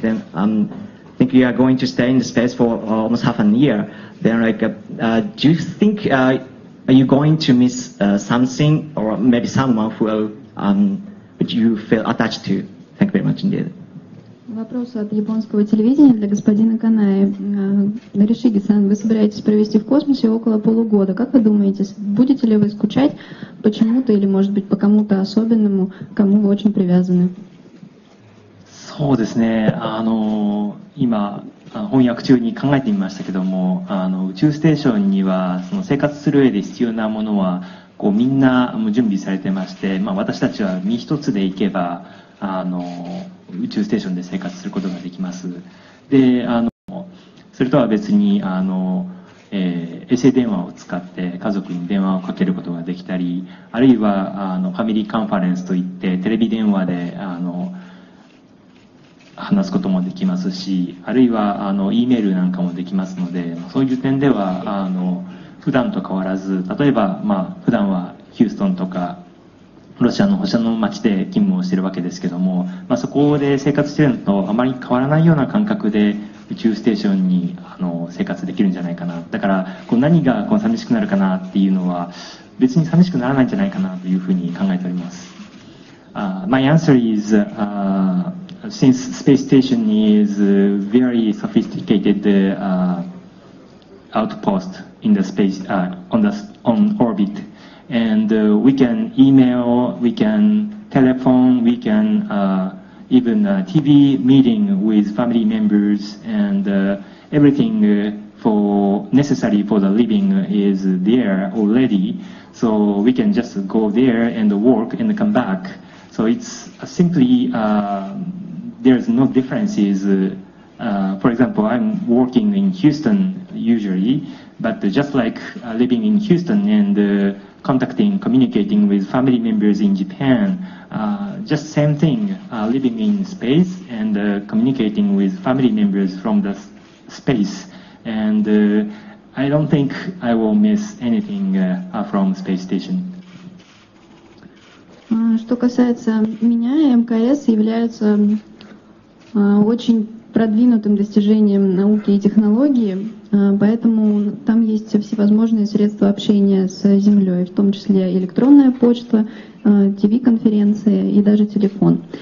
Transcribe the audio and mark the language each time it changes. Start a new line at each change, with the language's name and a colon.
English: Then I think you are going to stay in the space for almost half a year. Then do you think are you going to miss something or maybe someone who which you feel attached to? Thank you very much indeed.
Russian: Вопрос от японского телевидения для господина Канаи. Ришиги-сан, вы собираетесь провести в космосе около полугода. Как вы думаете, будете ли вы скучать почему-то или, может быть, по кому-то особенному, кому вы очень привязаны?
Japanese: そうですね、今翻訳中に考えてみましたけども、宇宙ステーションにはその生活する上で必要なものはこうみんな準備されてまして、まあ、私たちは身一つで行けば宇宙ステーションで生活することができます。で、それとは別に衛星電話を使って家族に電話をかけることができたり、あるいはファミリーカンファレンスといってテレビ電話で話すこともできますし、あるいはEメールなんかもできますので、そういう点では普段と変わらず、例えば、まあ、普段はヒューストンとかロシアの星の町で勤務をしているわけですけども、まあ、そこで生活しているのとあまり変わらないような感覚で宇宙ステーションに生活できるんじゃないかな。だからこう何がこう寂しくなるかなっていうのは、別に寂しくならないんじゃないかなというふうに考えております。
English: My answer is since space station is very sophisticated outpost in the space on orbit, and we can email, we can telephone, we can even TV meeting with family members, and everything for necessary for the living is there already, so we can just go there and work and come back. So it's simply there's no differences. For example, I'm working in Houston, usually, but just like living in Houston and contacting, communicating with family members in Japan, just same thing, living in space and communicating with family members from the space. And I don't think I will miss anything from space station.
Russian: Что касается меня, МКС является очень продвинутым достижением науки и технологии, поэтому там есть всевозможные средства общения с Землей, в том числе электронная почта, ТВ-конференции и даже телефон.